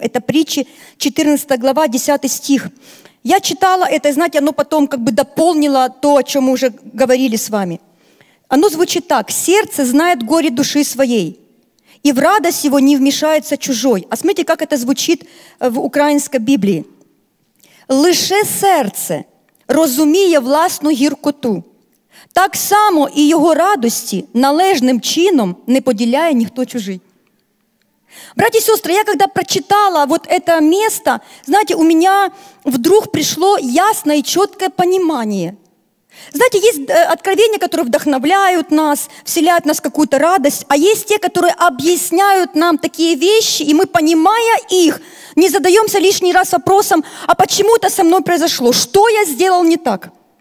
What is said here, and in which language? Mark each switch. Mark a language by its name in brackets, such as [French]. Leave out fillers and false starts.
[Russian] Это притчи, 14 глава, 10 стих. Я читала это, знаете, оно потом как бы дополнило то, о чем мы уже говорили с вами. Оно звучит так. «Сердце знает горе души своей, и в радость его не вмешается чужой». А смотрите, как это звучит в украинской Библии. [Ukrainian] «Лише серце розуміє власну гіркоту, так само і його радості належним чином не поділяє ніхто чужий». [Russian] Братья и сестры, я когда прочитала вот это место, знаете, у меня вдруг пришло ясное и четкое понимание. Знаете, есть откровения, которые вдохновляют нас, вселяют в нас какую-то радость, а есть те, которые объясняют нам такие вещи, и мы, понимая их, не задаемся лишний раз вопросом, а почему это со мной произошло, что я сделал не так?